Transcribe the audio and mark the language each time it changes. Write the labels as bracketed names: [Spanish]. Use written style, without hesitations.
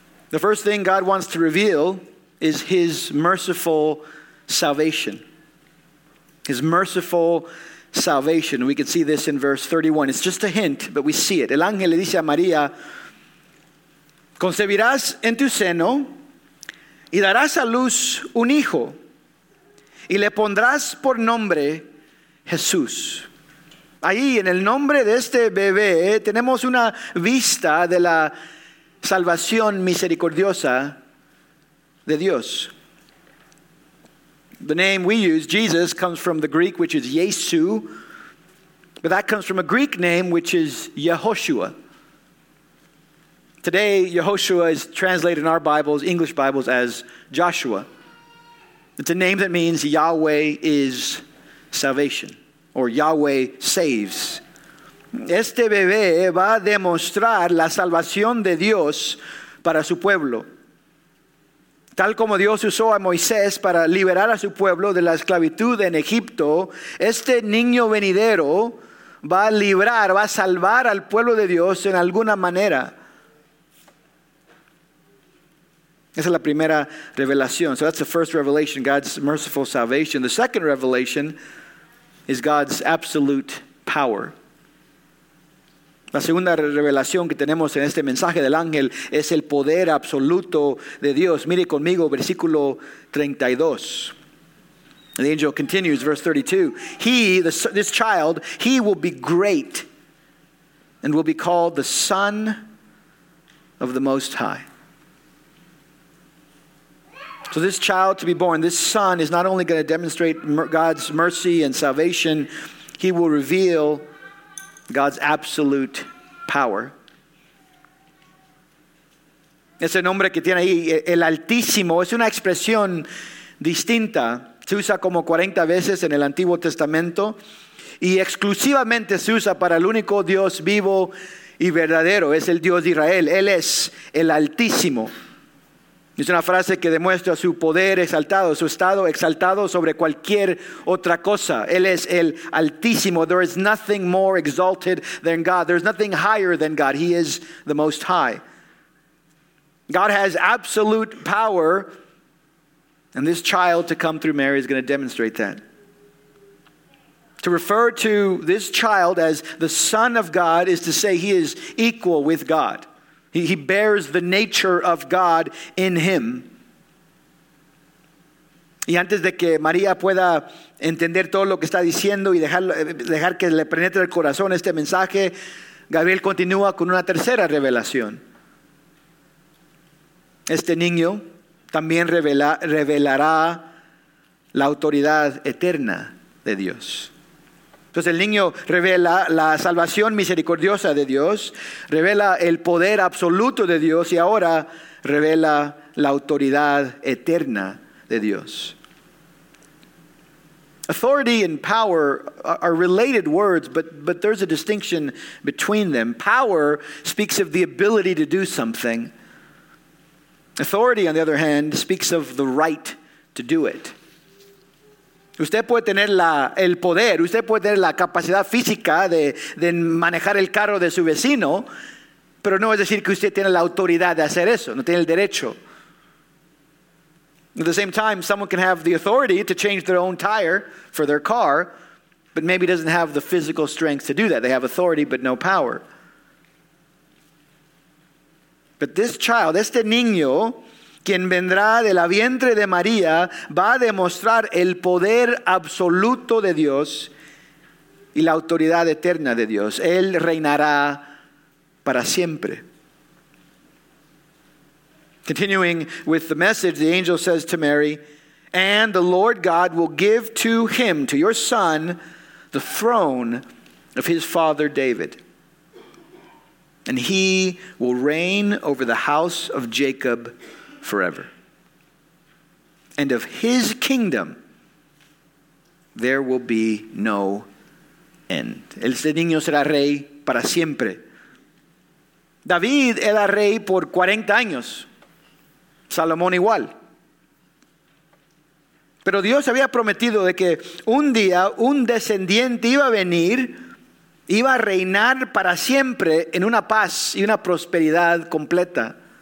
[English] The first thing God wants to reveal is His merciful salvation. His merciful salvation. We can see this in verse 31. It's just a hint, but we see it. [Spanish] El ángel le dice a María, concebirás en tu seno y darás a luz un hijo y le pondrás por nombre Jesús. Ahí en el nombre de este bebé tenemos una vista de la salvación misericordiosa de Dios. [English] The name we use, Jesus, comes from the Greek, which is Yesu, but that comes from a Greek name, which is Yehoshua. Today, Yehoshua is translated in our Bibles, English Bibles, as Joshua. It's a name that means Yahweh is salvation, or Yahweh saves. [Spanish] Este bebé va a demostrar la salvación de Dios para su pueblo. Tal como Dios usó a Moisés para liberar a su pueblo de la esclavitud en Egipto, este niño venidero va a librar, va a salvar al pueblo de Dios en alguna manera. Esa es la primera revelación. [English] So that's the first revelation, God's merciful salvation. The second revelation is God's absolute power. [Spanish] La segunda revelación que tenemos en este mensaje del ángel es el poder absoluto de Dios. Mire conmigo, versículo 32. [English] The angel continues, verse 32. This child will be great and will be called the Son of the Most High. So this child to be born, this son is not only going to demonstrate God's mercy and salvation, he will reveal God's absolute power. [Spanish] Ese nombre que tiene ahí, el Altísimo, es una expresión distinta. Se usa como 40 veces en el Antiguo Testamento y exclusivamente se usa para el único Dios vivo y verdadero, es el Dios de Israel. Él es el Altísimo. Es una frase que demuestra su poder exaltado, su estado exaltado sobre cualquier otra cosa. Él es el Altísimo. [English] There is nothing more exalted than God. There is nothing higher than God. He is the Most High. God has absolute power, and this child to come through Mary is going to demonstrate that. To refer to this child as the Son of God is to say he is equal with God. He bears the nature of God in him. [Spanish] Y antes de que María pueda entender todo lo que está diciendo y dejar que le penetre el corazón este mensaje, Gabriel continúa con una tercera revelación. Este niño también revelará la autoridad eterna de Dios. Entonces el niño revela la salvación misericordiosa de Dios, revela el poder absoluto de Dios y ahora revela la autoridad eterna de Dios. [English] Authority and power are related words, but there's a distinction between them. Power speaks of the ability to do something. Authority, on the other hand, speaks of the right to do it. [Spanish] Usted puede tener el poder, usted puede tener la capacidad física de manejar el carro de su vecino, pero no es decir que usted tiene la autoridad de hacer eso, no tiene el derecho. [English] At the same time, someone can have the authority to change their own tire for their car, but maybe doesn't have the physical strength to do that. They have authority, but no power. But this child, [Spanish] este niño, quien vendrá de la vientre de María, va a demostrar el poder absoluto de Dios y la autoridad eterna de Dios. Él reinará para siempre. [English] Continuing with the message, the angel says to Mary, "And the Lord God will give to him, to your son, the throne of his father David. And he will reign over the house of Jacob forever. And of his kingdom there will be no end." [Spanish] Este niño será rey para siempre. David era rey por 40 años. Salomón igual. Pero Dios había prometido de que un día un descendiente iba a venir, iba a reinar para siempre en una paz y una prosperidad completa.